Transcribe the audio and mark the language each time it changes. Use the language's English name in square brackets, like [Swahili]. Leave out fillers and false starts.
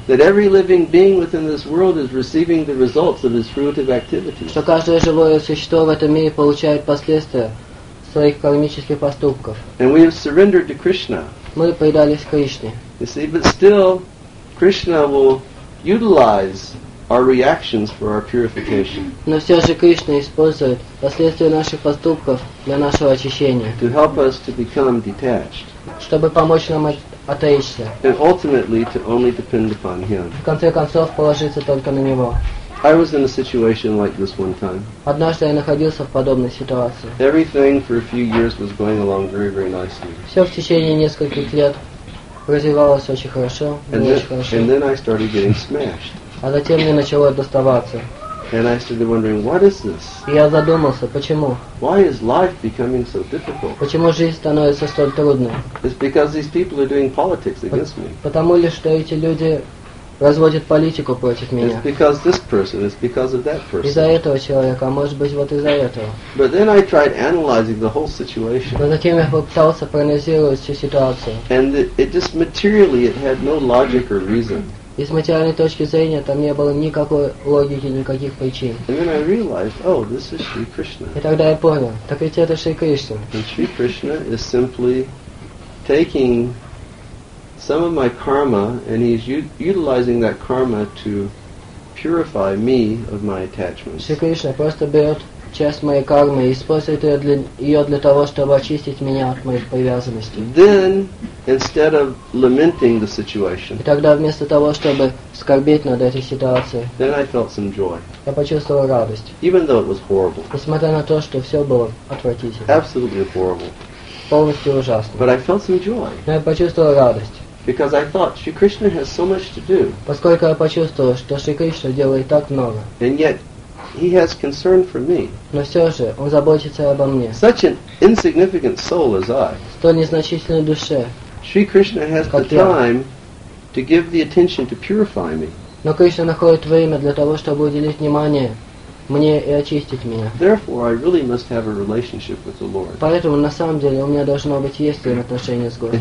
[English] That every living being within this world is receiving the results of his fruitive activities. [Russian] Что каждое живое существо в этом мире получает последствия своих кармических поступков. [English] And we have surrendered to Krishna. [Russian] Мы предались Кришне. [English] You see, but still, Krishna will utilize our reactions for our purification. [Russian] Но все же Кришна использует последствия наших поступков для нашего очищения. [English] To help us to become detached. [Russian] Чтобы помочь нам отречься. [English] And ultimately to only depend upon Him. [Russian] В конце концов положиться только на Него. [English] I was in a situation like this one time. [Russian] Однажды я находился в подобной ситуации. [English] Everything for a few years was going along very, very nicely. [Russian] Все в течение нескольких лет развивалось очень хорошо, очень хорошо. [English] And then I started getting smashed. [Russian] А затем мне начало доставаться. [English] And I started wondering, what is this? [Russian] И я задумался, почему? [English] Why is life becoming so difficult? [Russian] Почему жизнь становится столь трудной? [English] It's because these people are doing politics against me. [Russian] Потому ли, что эти люди разводят политику против меня? [English] It's because this person, it's because of that person. [Russian] Из-за этого человека, а может быть, вот из-за этого. [English] But then I tried analyzing the whole situation. [Russian] Но затем я попытался проанализировать всю ситуацию. [English] And it just materially, it had no logic or reason. [Russian] И с материальной точки зрения там не было никакой логики, никаких причин. [English] And then I realized, oh, this is Shri Krishna. [Russian] И тогда я понял, так ведь это Шри Кришна. [English] And Shri Krishna is simply taking some of my karma and he's utilizing that karma to purify me of my attachments. [Russian] Шри Кришна просто берет часть моей кармы и использует ее для того, чтобы очистить меня от моих привязанностей. [English] Then, instead of lamenting the situation, [Russian] и тогда вместо того, чтобы скорбеть над этой ситуацией, [English] then I felt some joy. [Russian] Я почувствовал радость. [English] Even though it was horrible. [Russian] Несмотря на то, что все было отвратительно. [English] Absolutely horrible. [Russian] Полностью ужасно. [English] But I felt some joy. [Russian] Но я почувствовал радость. [English] Because I thought Shri Krishna has so much to do. [Russian] Поскольку я почувствовал, что Шри Кришна делает так много. [English] And yet He has concern for me. [Russian] Но все же он заботится обо мне. [English] Such an insignificant soul as I. [Russian] Столь незначительной душе. [English] Shri Krishna has the time to give the attention to purify me. [Russian] Но Кришна находит время для того, чтобы уделить внимание мне и очистить меня. [English] Therefore, I really must have a relationship with the Lord. [Russian] Поэтому на самом деле у меня должно быть есть взаимоотношения с Господом.